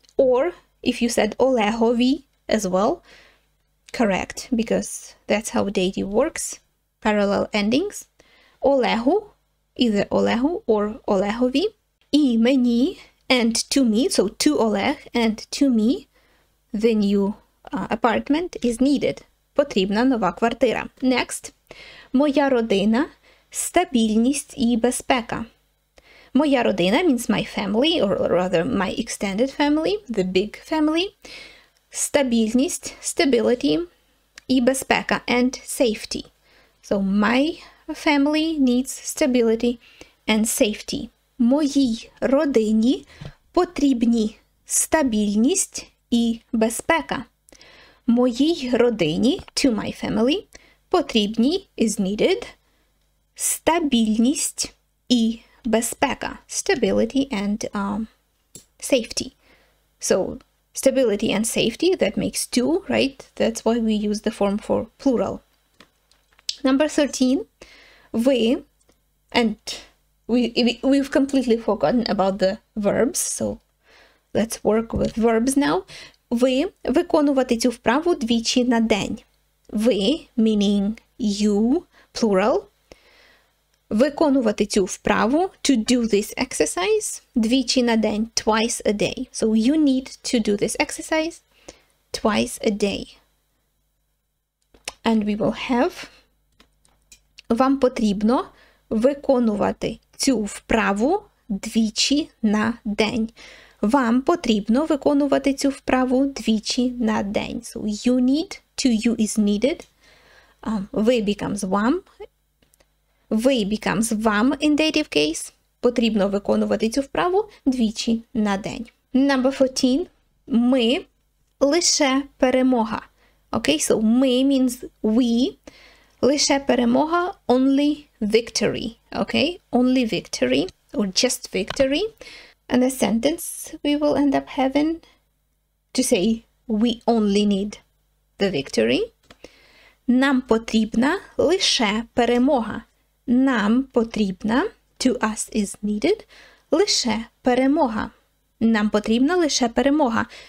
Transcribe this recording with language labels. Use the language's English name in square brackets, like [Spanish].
[English] Or if you said Олегові as well, correct, because that's how dative works, parallel endings. Олегу, either Олегу or Олегові. [Ukrainian] і мені, [English] and to me, so to Олег, and to me, the new apartment is needed. [Ukrainian] Потрібна нова квартира. [English] Next. [Ukrainian] Моя родина, стабільність і безпека. [English] Моя родина means my family, or rather my extended family, the big family. Стабільність, stability, і безпека, and safety. So my family needs stability and safety. [Ukrainian] Моїй родині потрібні стабільність і безпека. Моїй родині, [English] to my family, [Ukrainian] потрібні, [English] is needed, [Ukrainian] стабільність і безпека. [English] Stability and safety. So, stability and safety, that makes two, right? That's why we use the form for plural. Number 13. Ви, and we've completely forgotten about the verbs, so let's work with verbs now. [Ukrainian] Ви виконувати цю вправу двічі на день. [English] Ви, meaning you, plural. [Ukrainian] Виконувати цю вправу, [English] to do this exercise, [Ukrainian] двічі на день, [English] twice a day. So you need to do this exercise twice a day. And we will have... [Ukrainian] Вам потрібно виконувати цю вправу двічі на день. Вам потрібно виконувати цю вправу двічі на день. [English] So you need, to you is needed. Ви becomes вам. Ви becomes вам in dative case. [Ukrainian] Потрібно виконувати цю вправу двічі на день. Number 14. Ми лише перемога. [English] Okay, so ми means we. [Ukrainian] Лише перемога, [English] only victory. Okay, only victory or just victory. And the sentence we will end up having to say we only need the victory. [Ukrainian] Нам потрібна лише перемога. Нам потрібна, [English] to us is needed, [Ukrainian] лише перемога. Нам потрібна лише перемога.